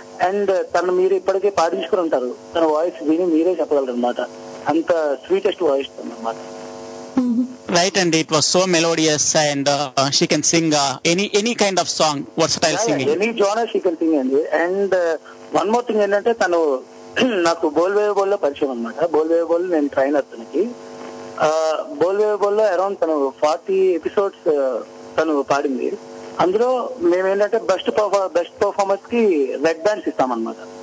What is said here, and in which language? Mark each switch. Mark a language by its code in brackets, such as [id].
[te] And తను మీరు ఇప్పటికే పాటించుకుని ఉంటారు, తన వాయిస్ విని మీరే చెప్పగలరన్నమాట, అంత స్వీటెస్ట్ వాయిస్ అన్నమాట. [en] Right, and it was so melodious, and she can sing any kind of song, versatile singing. Any genre she can sing. And one more thing [te] enante tanu నాకు బోల్ బేబీ బోల్ లో పరిచయం అనమాట. బోల్ baby బోల్ నేను trainer తనకి. బోల్ baby బోల్ లో around తను 40 episodes తను పాడింది. అందులో మేమేంటంటే బెస్ట్ పర్ఫార్మర్స్ కి రెడ్ బ్యాండ్స్ ఇస్తామన్నమాట.